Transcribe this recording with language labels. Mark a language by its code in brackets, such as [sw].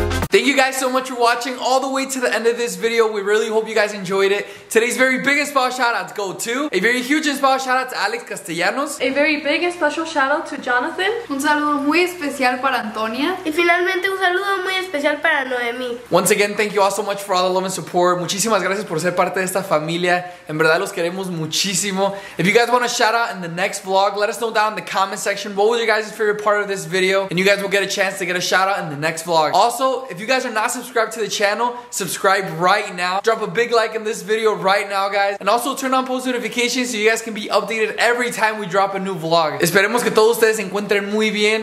[en] Thank you guys so much for watching all the way to the end of this video. We really hope you guys enjoyed it. Today's very biggest spa shoutouts go to a very huge and special shout out to Alex Castellanos. A very big and special shout out to Jonathan. [es] Un saludo muy especial para Antonia. Y finalmente un saludo muy especial para Noemi. [en] Once again, thank you all so much for all the love and support. [es] Muchísimas gracias por ser parte de esta familia. En verdad los queremos muchísimo. [en] If you guys want a shout out in the next vlog, let us know down in the comment section what was your guys' favorite part of this video, and you guys will get a chance to get a shout out in the next vlog. Also, if you guys are not subscribed to the channel, subscribe right now. Drop a big like in this video right now, guys. And also turn on post notifications so you guys can be updated every time we drop a new vlog. [es] Esperemos que todos ustedes se encuentren muy bien.